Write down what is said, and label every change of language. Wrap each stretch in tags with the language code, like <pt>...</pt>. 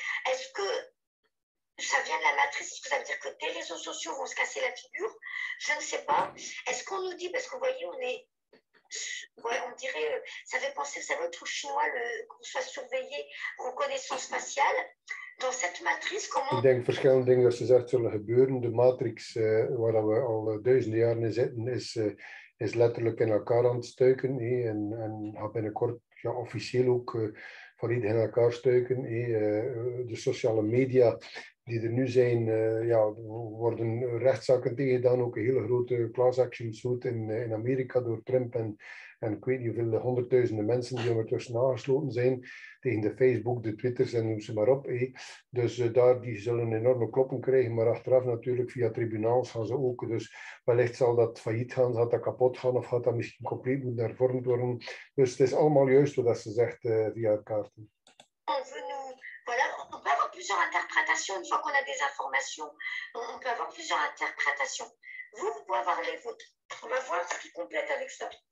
<fr>Est-ce que ça vient de la matrice? Est-ce que ça veut dire que tes réseaux sociaux vont se casser la figure? Je ne sais pas. Est-ce qu'on nous dit, parce que vous voyez, on est. Ouais, on dirait, ça fait penser, vous savez, au truc chinois, qu'on soit surveillé, reconnaissance faciale. Dans cette matrice,</fr> <nl>Ik</nl> <fr>comment.</fr> <nl>denk verschillende dingen dat ze zegt zullen gebeuren. De matrix waar we al duizenden jaren in zitten, is letterlijk in elkaar aan het stuiken. En gaat binnenkort ja, officieel ook volledig in elkaar stuiken. De sociale media die er nu zijn, ja, worden rechtszaken tegengedaan. Ook een hele grote class action suit in Amerika door Trump en ik weet niet hoeveel, honderdduizenden mensen die ondertussen aangesloten zijn tegen de Facebook, de Twitters en noem ze maar op. Hé. Dus daar, die zullen enorme kloppen krijgen, maar achteraf natuurlijk via tribunaals gaan ze ook. Dus wellicht zal dat failliet gaan, gaat dat kapot gaan of gaat dat misschien compleet moeten hervormd worden. Dus het is allemaal juist wat ze zegt via kaarten.</nl> <fr>On veut nous. Voilà, on peut avoir plusieurs interprétations. Une fois qu'on a des informations, on peut avoir plusieurs interprétations. Vous pouvez avoir les vôtres. On va voir ce qui complète avec ça.</fr>